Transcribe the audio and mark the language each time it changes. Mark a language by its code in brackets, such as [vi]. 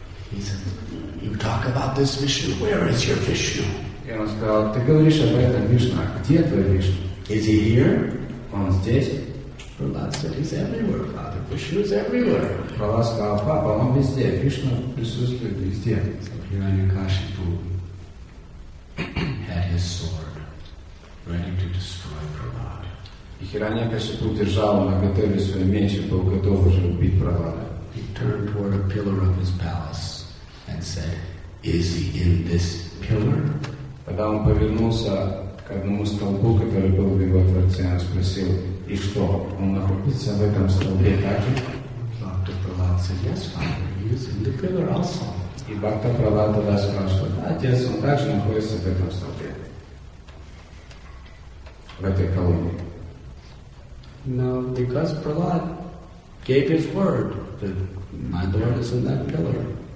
[en] He said, you talk about this Vishnu, where is your Vishnu? [ru] И он сказал, ты говоришь об этом, Вишна, а где твой Вишна? [en] Is he here? [ru] Он здесь. [en] Prahlad said, he's everywhere, Father. Vishnu is everywhere. [ru] Prahlad сказал, папа, он везде, Вишна присутствует везде. [en] So Hiranyakashipu had his sword ready to destroy Prahlad. [ru] И Hiranyakashipu держал на готове свой меч и был готов уже убить Прахлада. [en] He turned toward a pillar of his palace and said, is he in this pillar? [ru] Когда он повернулся к одному столбу, который был в его дворце, он спросил, и что, он находится в этом столбе также? [en] Бхакта Прахлад said, yes, father, he is in the pillar also. [ru] И Бхакта Прахлад тогда сказал, что да, отец, он также находится в этом столбе, в этой колонии. [en] Now, because Prahlad gave his word that my Lord is in that pillar,